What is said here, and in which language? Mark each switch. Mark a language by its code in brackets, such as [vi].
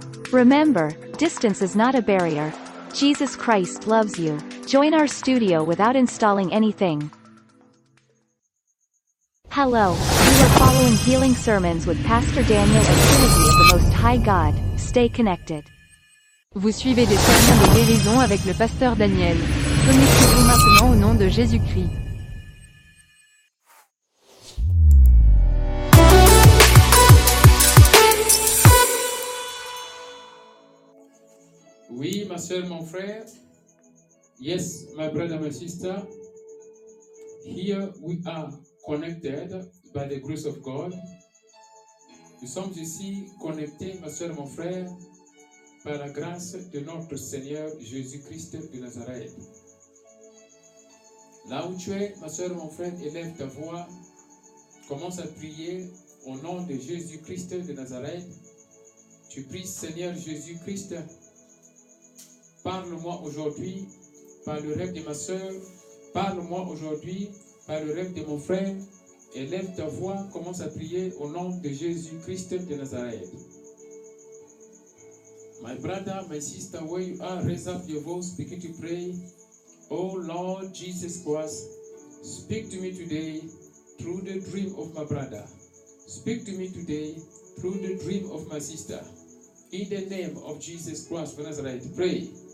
[en] Remember, distance is not a barrier. Jesus Christ loves you. Join our studio without installing anything. Hello, you are following Healing Sermons with Pastor Daniel and Trinity of the Most High God. Stay connected. [fr] Vous suivez des sermons de guérison avec le pasteur Daniel. Connectez-vous maintenant au nom de Jésus-Christ. Oui, ma soeur, mon frère. [en] Yes, my brother, my sister. Here we are connected by the grace of God. [fr] Nous sommes ici connectés, ma soeur, mon frère, par la grâce de notre Seigneur Jésus-Christ de Nazareth. Là où tu es, ma soeur, mon frère, élève ta voix, commence à prier au nom de Jésus-Christ de Nazareth. Tu pries, Seigneur Jésus-Christ, parle-moi aujourd'hui par le rêve de ma soeur, parle-moi aujourd'hui par le rêve de mon frère, élève ta voix, commence à prier au nom de Jésus-Christ de Nazareth. [en] My brother, my sister, where you are, raise up your voice, begin to pray. Oh Lord Jesus Christ, speak to me today through the dream of my brother. Speak to me today through the dream of my sister. In the name of Jesus Christ of Nazareth, pray.